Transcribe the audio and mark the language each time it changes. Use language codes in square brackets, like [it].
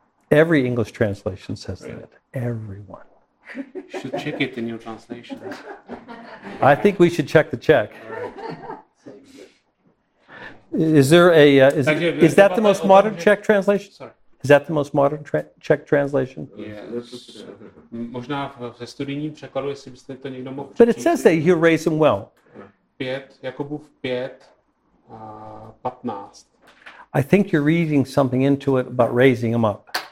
[en] Every English translation says that. Everyone. You should check it in your translations. I think we should check the check. Right. Is that the most modern Czech translation? Sorry. Is that the most modern Czech translation? [cs] Možná ve studijním překladu, jestli byste to někdo mohl. [en] But it says that he'll raise him well. [cs] Jakubův 5. 15. [en] I think you're reading something into it about raising him up.